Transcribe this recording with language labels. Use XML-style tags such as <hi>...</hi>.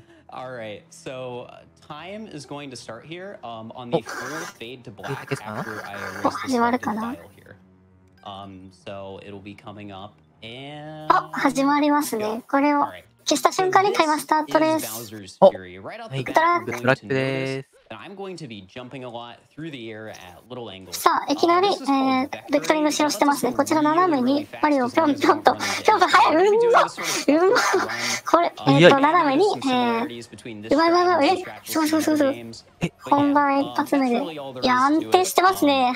<en>All right, so time is going to start here on the fourth fade to black after I erase the file here. So it'll be coming up</en> <ja>and... あ、始まりますね。これを消した瞬間にタイマースタートです。お、はい、ブラックでーす。</ja> <en>I'm going to be jumping a lot through the air at little angles.</en> <ja>さあ、いきなり、ベクトリング使用してますね。こちら斜めにマリオピョンピョンと、ピョンピョン速い、うんまこれ、斜めに、うまい、本番一発目で、いや安定してますね。</ja>